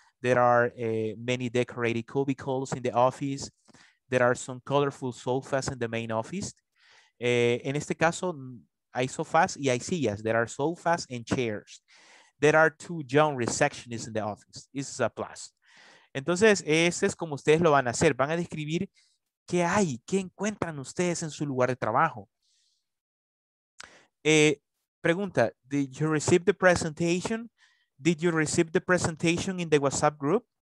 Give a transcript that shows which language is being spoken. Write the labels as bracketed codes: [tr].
[en] There are many decorated cubicles in the office. There are some colorful sofas in the main office. [es] En este caso, hay sofás y hay sillas. [en] There are sofas and chairs. There are two young receptionists in the office. This is a plus. [es] Entonces, este es como ustedes lo van a hacer. Van a describir qué hay, qué encuentran ustedes en su lugar de trabajo. [en] Pregunta, did you receive the presentation in the WhatsApp group?